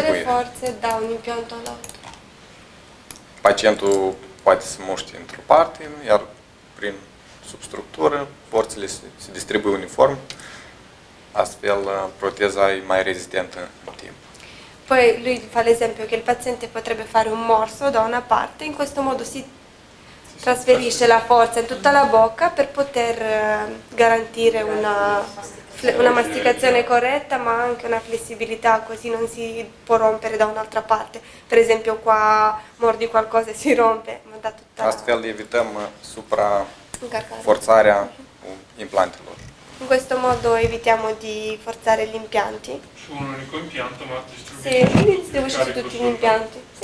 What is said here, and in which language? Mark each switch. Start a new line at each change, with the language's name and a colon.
Italian: le forze da un impianto all'altro.
Romanian: Pacientul poate să muște într-o parte, iar prin substructură, forțele se distribuie uniform, astfel proteza e mai rezistentă în timp.
Italian: Poi lui fa l'esempio che il paziente potrebbe fare un morso da una parte, in questo modo si trasferisce la forza in tutta la bocca per poter garantire una masticazione corretta, ma anche una flessibilità, così non si può rompere da un'altra parte. Per esempio qua mordi qualcosa e si rompe, ma da tutta
Romanian: astfel evităm supra forzarea implantelor.
Italian: In questo modo evitiamo di forzare gli impianti. Su un unico impianto, ma distribuisce. Sì, distribuisce su tutti gli impianti.